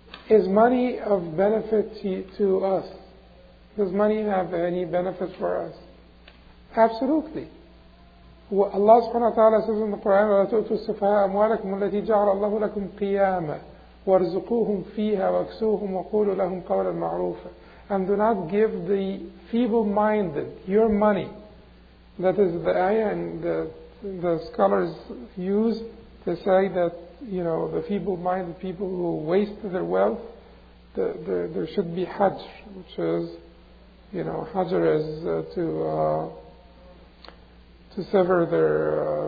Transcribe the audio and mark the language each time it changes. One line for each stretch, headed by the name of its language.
English: Is money of benefit to us? Does money have any benefit for us? Absolutely. Allah subhanahu wa ta'ala says in the Quran,
Arabic: وَلَا تُؤْتُوا السُّفَهَاءَ أَمْوَالَكُمُ الَّتِي جَعَلَ اللَّهُ لَكُمْ قِيَامًا وَارْزُقُوهُمْ فِيهَا وَاكْسُوهُمْ وَقُولُوا لَهُمْ قَوْلًا مَعْرُوفًا.
English: And do not give the feeble-minded your money. That is the ayah, and the scholars use to say that, you know, the feeble-minded people who waste their wealth, there should be hajj, which is, you know, hajr is to sever their